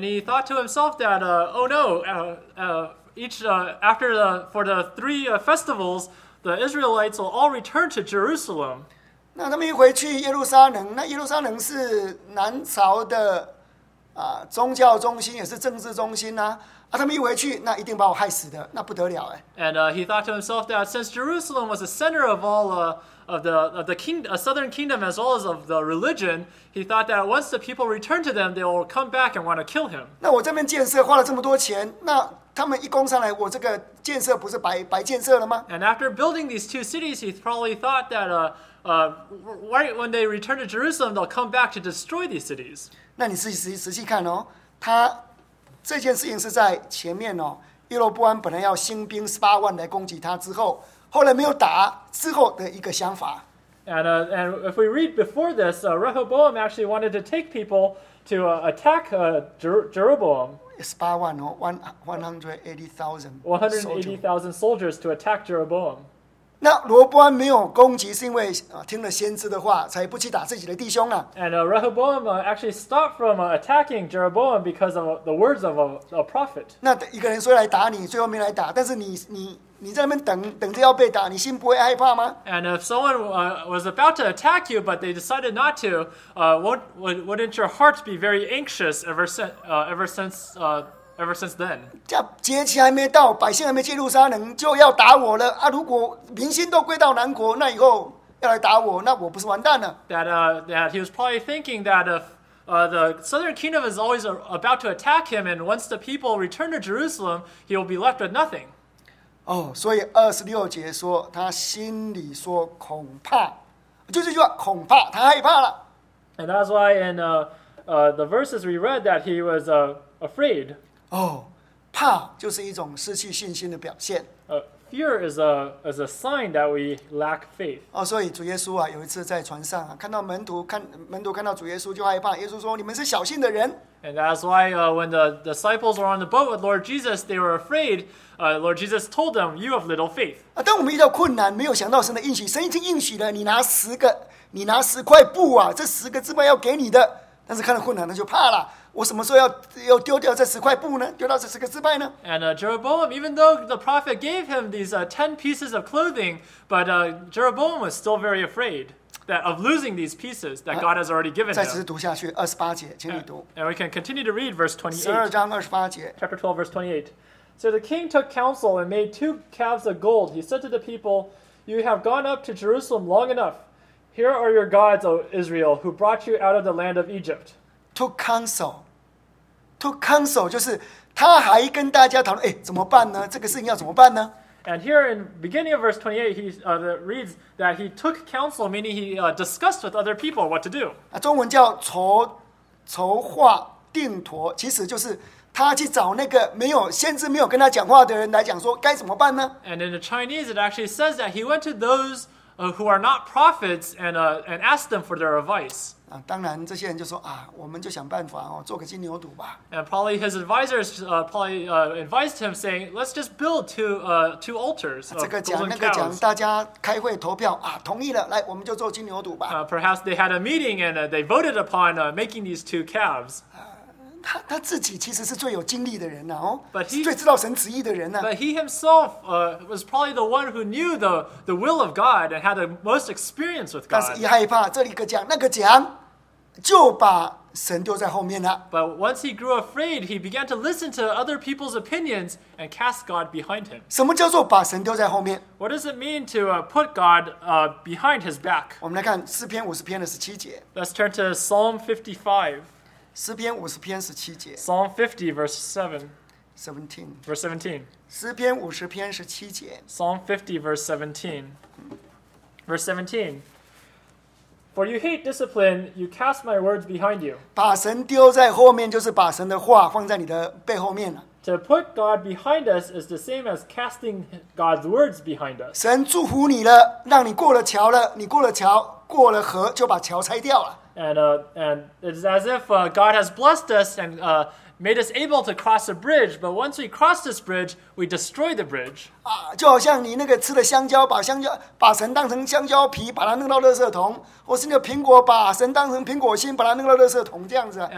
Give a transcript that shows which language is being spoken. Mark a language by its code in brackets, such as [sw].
[en] he thought to himself that, after the three festivals, the Israelites will all return to Jerusalem. [zh] 那他们一回去耶路撒冷，那耶路撒冷是南朝的宗教中心，也是政治中心呐。他们一回去，那一定把我害死的，那不得了。And [en] he thought to himself that since Jerusalem was the center of all of the king, a southern kingdom as well as of the religion, he thought that once the people return to them, they will come back and want to kill him. [zh] 那我这边建设花了这么多钱，那 他们一攻上来，我这个建设不是白建设了吗？ [en] And after building these two cities, he probably thought that right when they return to Jerusalem, they'll come back to destroy these cities. [zh] 那你仔细看哦，他这件事情是在前面哦，耶罗波安本来要兴兵十八万来攻击他，之后后来没有打，之后的一个想法。 [en] And if we read before this, Rehoboam actually wanted to take people to attack Jeroboam. 180,000 soldiers. 180,000 soldiers to attack Jeroboam. [zh] 那罗伯安没有攻击，是因为听了先知的话，才不去打自己的弟兄了。 [en] And Rehoboam actually stopped from attacking Jeroboam because of the words of a prophet. [zh] 那一个人说来打你，最后没来打，但是你在那边等等着要被打，你心不会害怕吗 [en] ？And if someone was about to attack you, but they decided not to, wouldn't your heart be very anxious ever since then? [zh] 这节期还没到，百姓还没进入耶路撒冷就要打我了啊！如果民心都归到南国，那以后要来打我，那我不是完蛋了 [en] ？That he was probably thinking that if the southern kingdom is always about to attack him, and once the people return to Jerusalem, he will be left with nothing. [zh] 所以二十六节说他心里说恐怕，就是说恐怕他害怕了。 [en] And that's why in the verses we read that he was afraid. [zh] 怕就是一种失去信心的表现。 [en] Fear is a sign that we lack faith. [zh] 所以主耶稣啊，有一次在船上啊，看到门徒看到主耶稣就害怕。耶稣说：“你们是小信的人。” [en] And that's why when the disciples were on the boat with Lord Jesus, they were afraid. Lord Jesus told them, "You have little faith." [zh] 当我们遇到困难，没有想到神的应许，神已经应许了。你拿十块布啊，这十个支派要给你的。但是看到困难，他就怕了。我什么时候要丢掉这十块布呢？丢掉这十个支派呢 [en] ？And Jeroboam, even though the prophet gave him these 10 pieces of clothing, but Jeroboam was still very afraid that of losing these pieces that God has already given him. [zh] 再继续读下去，二十八节，请你读。 [en] And we can continue to read verse 28. 12:28. Chapter 12, verse 28. So the king took counsel and made two calves of gold. He said to the people, "You have gone up to Jerusalem long enough. Here are your gods, O Israel, who brought you out of the land of Egypt." Took counsel [zh] 就是他还跟大家讨论，怎么办呢？这个事情要怎么办呢 [en] ？And here in beginning of verse 28, he reads that he took counsel, meaning he discussed with other people what to do. [zh] 中文叫筹划定妥，其实就是他去找那个没有先知没有跟他讲话的人来讲说该怎么办呢 [en] ？And in the Chinese, it actually says that he went to those who are not prophets and asked them for their advice. [zh] 当然，这些人就说我们就想办法做个金牛犊吧。 [en] And probably his advisors advised him saying, "Let's just build two altars." [zh] 这个讲那个讲，大家开会投票同意了，来我们就做金牛犊吧。 [en] Perhaps they had a meeting and they voted upon making these two calves. [zh] 他自己其实是最有经历的人呐、啊、哦， he, 最知道神旨意的人呐、啊。 [en] But he himself was probably the one who knew the will of God and had the most experience with God. [zh] 但是一害怕，这一个讲那个讲，就把神丢在后面了。 [en] But once he grew afraid, he began to listen to other people's opinions and cast God behind him. [zh] 什么叫做把神丢在后面 [en] ？What does it mean to put God behind his back？ [zh] 我们来看诗篇五十篇的十七节。 [en] Let's turn to Psalm 55. [zh] 诗篇五十篇十七节。 [en] Psalm 50 verse 17. Verse 17. [zh] 诗篇五十篇十七节。 [en] Psalm 50 verse 17. Verse 17. For you hate discipline, you cast my words behind you. [zh] 把神丢在后面，就是把神的话放在你的背后面了。 [en] To put God behind us is the same as casting God's words behind us. [zh] 神祝福你了，让你过了桥了，你过了桥，过了河，就把桥拆掉了。 [en] And it's as if God has blessed us and made us able to cross a bridge. But once we cross this bridge, we destroy the bridge. [zh] 就好像你那个吃的香蕉，把神当成香蕉皮，把它弄到垃圾桶；或是那个苹果，把神当成苹果心，把它弄到垃圾桶，这样子。